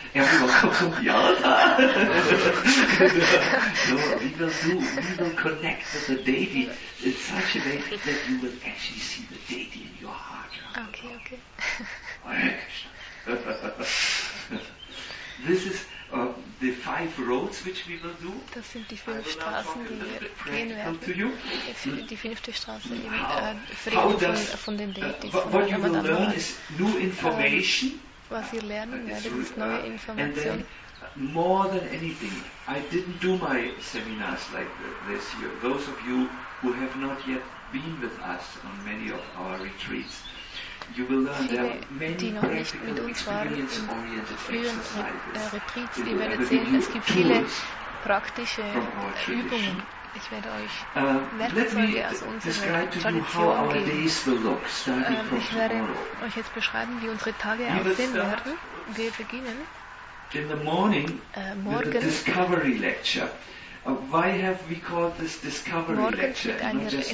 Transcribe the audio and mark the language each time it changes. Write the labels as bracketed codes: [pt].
[en] Everyone comes from the altar. So we will connect with the deity in such a way that you will actually see the deity in your heart. Okay. This is the five roads which we will do. [de] Das sind die fünf Straßen, die wir gehen werden. Die fünfte Straße von den Deities. [en] What you will learn is new information. [de] Was ihr lernen werdet, ist neue Information. [en] More than anything, I didn't do my seminars like this year. Those of you who have not yet been with us on many of our retreats, you will learn there are many practical experience-oriented exercises. You will have a new tools from our tradition. [de] Ich werde euch ich werde euch jetzt beschreiben, wie unsere Tage aussehen werden. Wir beginnen [en] in the morning [de] morgen [en] with a discovery lecture. Why have we called this discovery lecture and not just